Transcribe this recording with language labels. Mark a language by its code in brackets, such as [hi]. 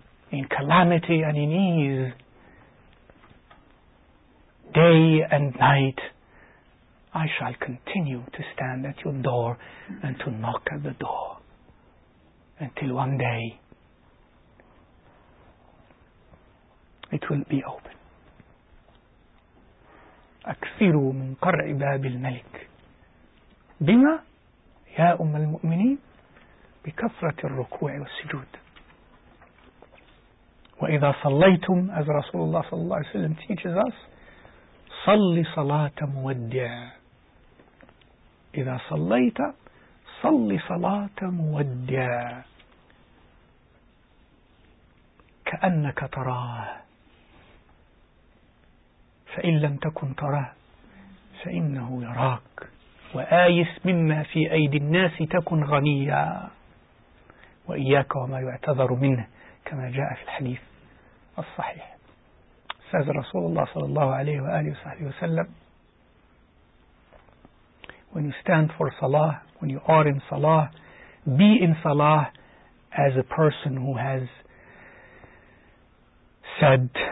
[en] in calamity and in ease, day and night, I shall continue to stand at your door and to knock at the door until one day it will be open. [ar] أكثروا من قرع باب الملك بما يا أم المؤمنين بكثرة الركوع والسجود. وإذا صليتم, as Rasulullah صلى الله عليه وسلم teaches us, صلي صلاة مودع. إذا صليت صلي صلاة مودع كأنك تراه فإن لم تكن تراه فإنه يراك وآيس مما في أيدي الناس تكن غنيا وإياك وما يعتذر منه كما جاء في الحديث الصحيح. [en] Says Rasulullah sallallahu alayhi wa alihi wa sallam, when you stand for salah, when you are in salah, be in salah as a person who has said,